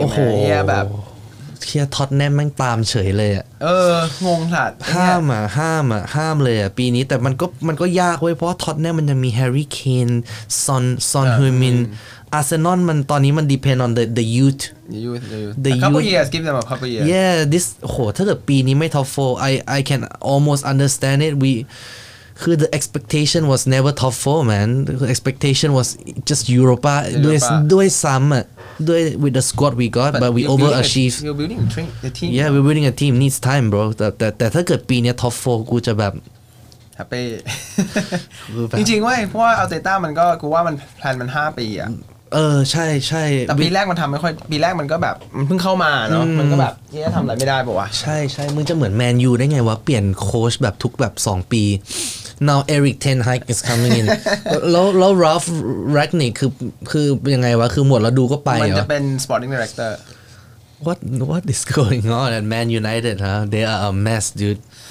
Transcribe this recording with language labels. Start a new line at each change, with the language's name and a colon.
Thai: โอ้โห เฮียแบบ เฮียท็อตแนมแม่งตามเฉยเลยอ่ะ เอองงสัส ห้ามอ่ะห้ามอ่ะห้ามเลยอ่ะปีนี้แต่มันก็ยากเว้ยเพราะท็อตแนมมันจะมีแฮร์รี่เคนซอนฮุยมินอาร์เซนอลมันตอนนี้มัน
English: depend on the youth a couple years give them a couple years yeah this
Thai: โหถ้าเกิดปีนี้ไม่
English: top 4 I can almost understand it we คือ the expectation was never top 4 man the expectation was just Europa
Thai: ด้วยซ้ำอ่ะด้วย
English: with the squad we got but we overachieved you're building a team yeah we're building a team needs time bro
Thai: แต่ถ้าเกิดปีนี้
English: top 4
Thai: กูจะแบบ happy จริงๆเว้ยเพราะว่าอัลเตต้ามันก็กูว่ามันแพลนมัน5ปีอ่ะ เออใช่ แต่ปีแรกมันทำไม่ค่อยปีแรกมันก็แบบมันเพิ่งเข้ามาเนาะมันก็แบบเฮียทำอะไรไม่ได้ป่ะวะ ใช่มึงจะเหมือนแมนยูได้ไงวะเปลี่ยนโค้ชแบบทุกแบบ2ปี
English: now Erik ten Hag is coming in
Thai: แล้ว Ralf Rangnick คือยังไงวะคือหมดแล้วดูก็ไป มันจะเป็น
English: sporting director what is going on at Man United huh they are a mess dude